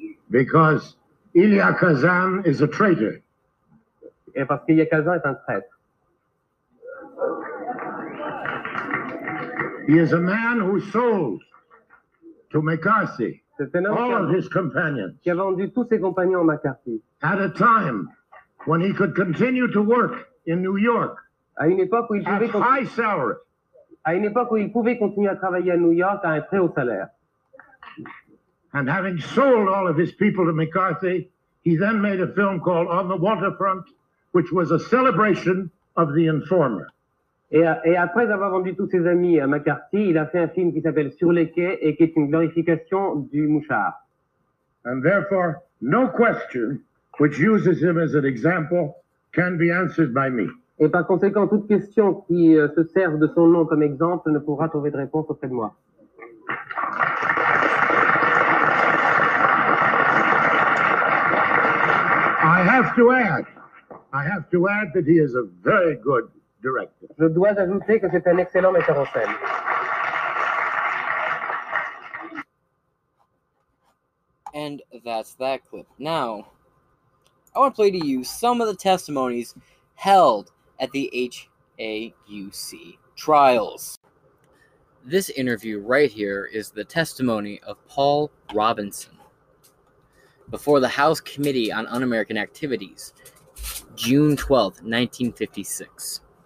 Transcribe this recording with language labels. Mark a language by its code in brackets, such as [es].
[en] Because Ilya Kazan is a traitor. [fr] Et parce qu'Ilya Kazan est un traître. [en] He is a man who sold to McCarthy all of his companions. [fr] Qui a vendu tous ses compagnons à McCarthy. [en] At a time when he could continue to work in New York. [fr] À une époque où il pouvait [en] high salary. [fr] À une époque où il pouvait continuer à travailler à New York à un très haut salaire. [en] And having sold all of his people to McCarthy, he then made a film called On the Waterfront, which was a celebration of the informer. [fr] Et après avoir vendu tous ses amis à McCarthy, il a fait un film qui s'appelle Sur les quais et qui est une glorification du mouchard. [en] And therefore, no question which uses him as an example can be answered by me. [fr] Et par conséquent, toute question qui se sert de son nom comme exemple ne pourra trouver de réponse auprès de moi. [en] I have to add that he is a very good director. [fr] Je dois ajouter que c'est un excellent metteur en scène. [en] And that's that clip. Now, I want to play to you some of the testimonies held at the HAUC trials. This interview right here is the testimony of Paul Robinson before the House Committee on Un-American Activities, June 12, 1956.